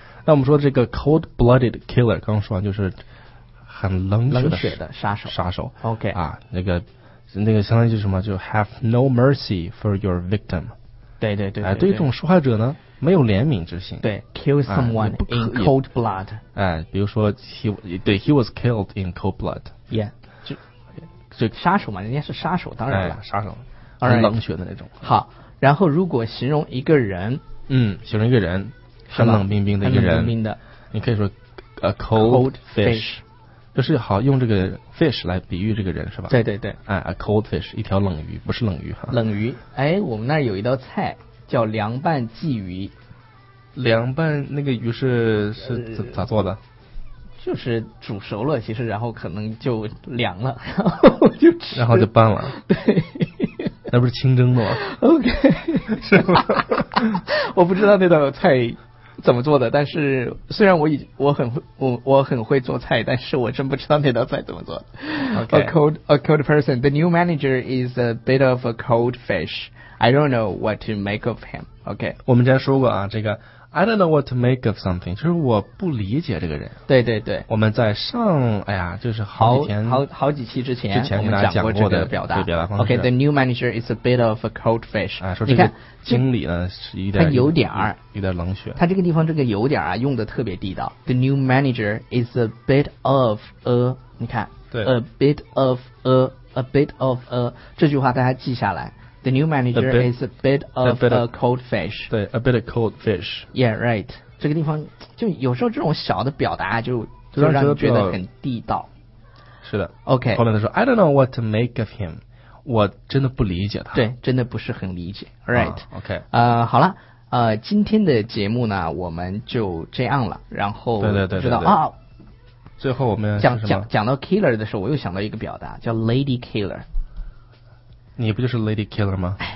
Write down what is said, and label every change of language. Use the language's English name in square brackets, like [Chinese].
[Chinese] 那我们说这个 [English] cold blooded killer, [Chinese] 刚刚说完就是很冷血的杀手。杀手。 OK。啊，那个相当于就是什么？ [English] 就 have no mercy for your victim。 [Chinese] 对对对，哎，对于这种受害者呢，没有怜悯之心。 [English] 对 ，kill someone in cold blood。 [Chinese] 哎，比如说 [English] he was killed in cold blood。 Yeah, [Chinese] 就杀手嘛，人家是杀手，当然了，哎、杀手，很冷血的那种。 [English] Alright, [Chinese] 好，然后如果形容一个人，形容一个人，很冷冰冰的一个人，冷冰冰的，你可以说 a [English] cold [Chinese] fish, 就是好用这个 fish 来比喻这个人是吧？对对对，哎 ， [English] a cold fish, [Chinese] 一条冷鱼，不是冷鱼哈。冷鱼，哎，我们那儿有一道菜叫凉拌鲫鱼。凉拌那个鱼是咋做的？就是煮熟了，其实然后可能就凉了，然后就吃，然后就拌了。对，那不是清蒸的吗 [English] ？OK， [Chinese] 是吗？我不知道那道菜怎么做的，但是虽然我很会做菜，但是我真不知道那道菜怎么做。 [English] Okay. A cold person. The new manager is a bit of a cold fish. I don't know what to make of him. OK， [Chinese] 我们之前说过啊，这个。 [English] I don't know what to make of something， [Chinese] 就是我不理解这个人。对对对，我们在上哎呀，就是好几期之前我们讲过这个表达，对表达方式。 [English] Okay, the new manager is a bit of a cold fish。 [Chinese] 啊，说这个经理呢是一点，他有点儿，有点冷血。他这个地方这个有点啊，用的特别地道。 [English] The new manager is a bit of a， [Chinese] 你看，对 [English] ，a bit of a bit of a， [Chinese] 这句话大家记下来。 [English] The new manager is a bit of a cold fish. 对 ，a bit of cold fish. Yeah, right. [Chinese] 这个地方就有时候这种小的表达就让人觉得很地道。是的。 [English] OK. [Chinese] 后面他说 [English] ，I don't know what to make of him. [Chinese] 我真的不理解他。对，真的不是很理解。 [English] Right.、 OK. [Chinese] 好了，今天的节目呢，我们就这样了。然后对知道对对对啊。最后我们讲到 killer 的时候，我又想到一个表达，叫 lady killer。你不就是 Lady Killer 吗？